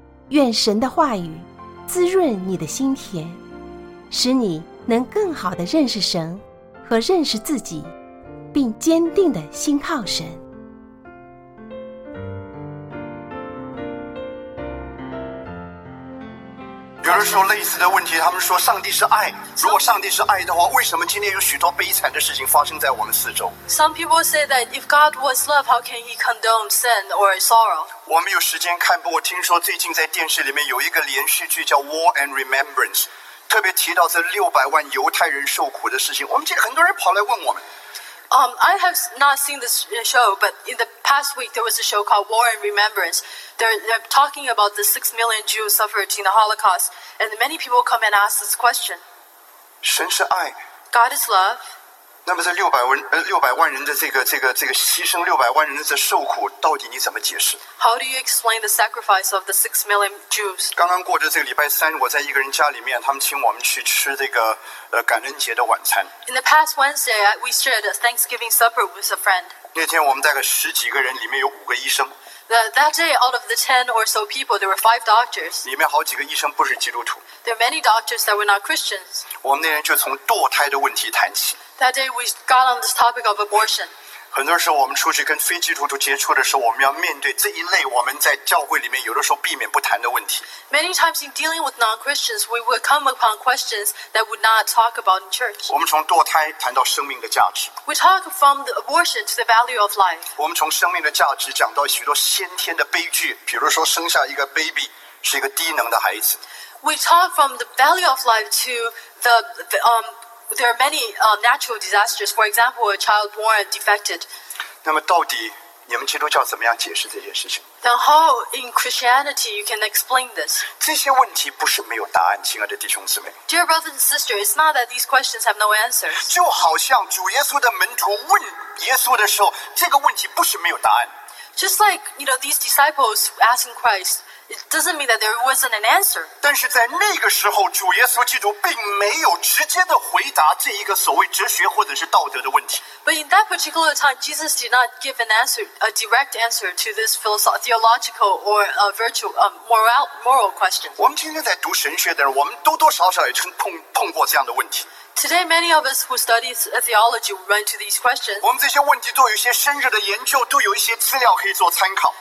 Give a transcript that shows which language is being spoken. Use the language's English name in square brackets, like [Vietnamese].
[Chinese] 愿神的话语滋润你的心田，使你能更好地认识神和认识自己，并坚定地信靠神。有人说类似的问题，他们说上帝是爱，如果上帝是爱的话，为什么今天有许多悲惨的事情发生在我们四周？ [English] Some people say that if God was love, how can he condone sin or sorrow? [Chinese] 我没有时间看，不过听说最近在电视里面有一个连续剧叫 War and Remembrance， 特别提到这600万犹太人受苦的事情，我们这很多人跑来问我们。 [English] I have not seen this show, but in the past week there was a show called War and Remembrance. They're talking about the 6 million Jews suffered in the Holocaust, and many people come and ask this question. [Chinese] 神是爱。 [English] God is love. [Chinese] 那么这600万人的这个牺牲，600万人的受苦，到底你怎么解释？ [English] How do you explain the sacrifice of the 6 million Jews? [Chinese] 刚刚过着这个礼拜三，我在一个人家里面，他们请我们去吃这个感恩节的晚餐。 [English] In the past Wednesday, we shared a Thanksgiving supper with a friend. [Chinese] 那天我们大概十几个人，里面有5个医生。 [English] That day, out of the 10 or so people, there were 5 doctors. [Chinese] 里面好几个医生不是基督徒。 [English] There are many doctors that were not Christians. [Chinese] 我们那天就从堕胎的问题谈起。 [English] That day, we got on this topic of abortion. [Chinese] 很多时候我们出去跟非基督徒接触的时候，我们要面对这一类我们在教会里面有的时候避免不谈的问题。 [English] Many times in dealing with non-Christians, we would come upon questions that would not talk about in church. [Chinese] 我们从堕胎谈到生命的价值。 [English] We talk from the abortion to the value of life. [Chinese] 我们从生命的价值讲到许多先天的悲剧，比如说生下一个 baby 是一个低能的孩子。 [English] We talk from the value of life to there are many natural disasters. For example, a child born defected. [Chinese] 那么到底你们基督教怎么样解释这些事情？ [English] Then how in Christianity you can explain this? [Chinese] 这些问题不是没有答案，亲爱的弟兄姊妹。 [English] Dear brothers and sisters, it's not that these questions have no answers. [Chinese] 就好像主耶稣的门徒问耶稣的时候，这个问题不是没有答案。 [English] Just like you know these disciples asking Christ. It doesn't mean that there wasn't an answer. [Chinese] 但是在那个时候，主耶稣基督并没有直接的回答这一个所谓哲学或者是道德的问题。 [English] But in that particular time, Jesus did not give an answer, a direct answer to this theological or a moral question. [Chinese] 我们今天在读神学的人，我们多多少少也曾碰过这样的问题。 [English] Today, many of us who study theology run to these questions. [Chinese] 我们这些问题都有一些深入的研究，都有一些资料可以做参考。